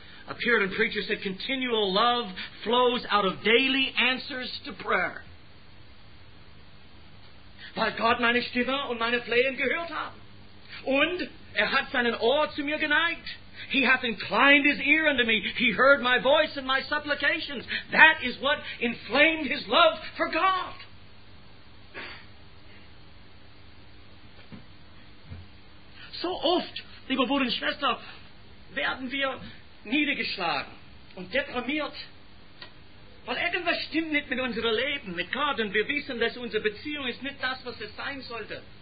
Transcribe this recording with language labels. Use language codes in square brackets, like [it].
[en] A Puritan preacher said, continual love flows out of daily answers to prayer. [de] Weil Gott meine Stimme und meine Flehen gehört hat. Und er hat seinen Ohr zu mir geneigt. [en] He hath inclined his ear unto me. He heard my voice and my supplications. That is what inflamed his love for God. [de] So oft, liebe Bruder und Schwester, werden wir niedergeschlagen und deprimiert, weil irgendwas stimmt nicht mit unserem Leben, mit Gott, und wir wissen, dass unsere Beziehung ist nicht das, was es sein sollte.